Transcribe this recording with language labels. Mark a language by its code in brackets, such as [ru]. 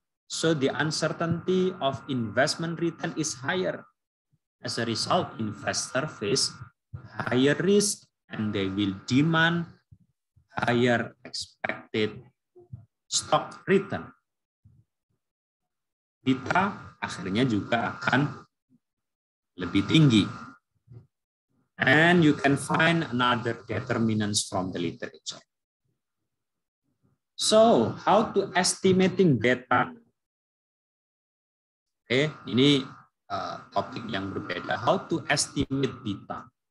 [en] So the uncertainty of investment return is higher. As a result, investor face higher risk and they will demand higher expected stock return. [id] Kita akhirnya juga akan lebih tinggi. [en] And you can find another determinants from the literature. So, how to estimating beta? [id] Ini topik yang berbeda. [en] How to estimate beta?